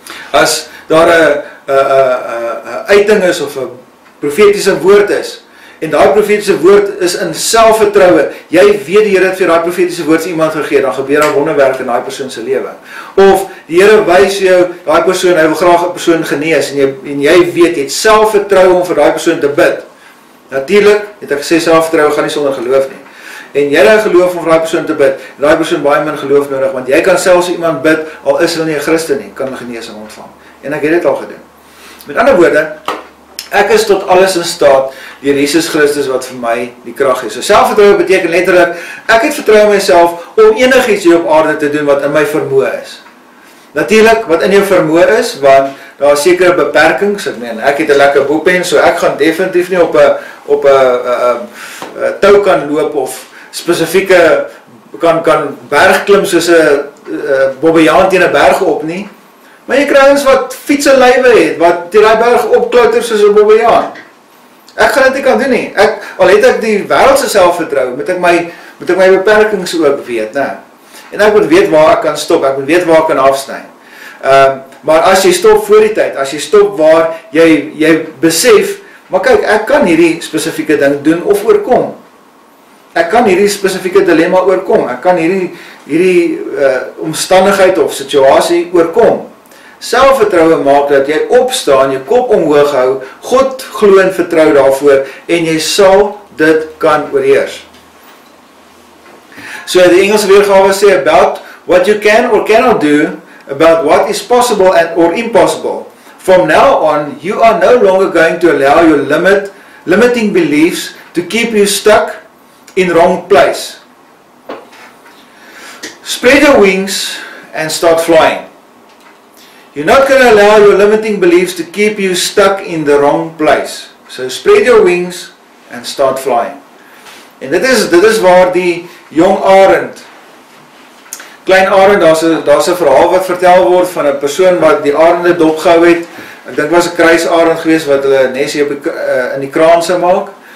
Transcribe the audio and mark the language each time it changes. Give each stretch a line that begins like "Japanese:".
Afrikaans: As daar een uiting is of een profetiese woord is, en die profetiese woord is in selfvertrouwe, jy weet die Heere het vir die profetiese woord iemand gegeen, dan gebeur daar wonderwerk in die persoonse leven. Of die Heere wys jou, die persoon, hy wil graag die persoon genees, en jy weet, het selfvertrouwe om vir die persoon te bid. Natuurlijk, het ek gesê, selfvertrouwe gaan nie sonder geloof nie. En jy het geloof om vir die persoon te bid, en die persoon baie min geloof nodig, want jy kan selfs iemand bid, al is hy nie een Christen nie, kan hy geneesing ontvang. En ek het dit al gedoen. Met ander woorde, ek is tot alles in staat, dier Jesus Christus wat vir my die kracht is. So selfvertrouwe beteken letterlik, ek het vertrouwe myself om enig iets hier op aarde te doen wat in my vermoë is. Natuurlijk, wat in jou vermoë is, want daar is sekere beperkings. Ek meen, ek het 'n lekker boepen, so ek gaan definitief nie op 'n tou kan loop of spesifieke kan bergklim soos 'n Bobbejaan teen 'n berg op nie. Maar jy kry ons wat fietselywe het, wat teen die berg opklouter soos 'n Bobbejaan. Ek gaan dit nie kan doen nie. Ek, al het ek die wêreldse selfvertroue, moet ek my beperkings ook weet, né? En ek moet weet waar ek kan stop, ek moet weet waar ek kan afsny. Maar as jy stop voor die tyd, as jy stop waar jy besef, maar kyk, ek kan hierdie spesifieke ding doen of oorkom. Ek kan hierdie spesifieke dilemma oorkom, ek kan hierdie omstandigheid of situasie oorkom. Selfvertroue maak dat jy opstaan, jou kop omhoog hou, God glo en vertrou daarvoor en jy sal dit kan oorheers. So die Engelse weergawe sê,
English: about what you can or cannot do, about what is possible and or impossible. From now on, you are no longer going to allow your limiting beliefs to keep you stuck in wrong place. Spread your wings and start flying. You're not going to allow your limiting beliefs to keep you stuck in the wrong place. So spread your wings and start flying.
Afrikaans: En dit is waar die jong arend, klein arend, daar's 'n verhaal wat vertel word van 'n persoon wat die arende dopgehou het. Ek dink was 'n kruisarend geweest wat hulle nes hier in die kraan se maak.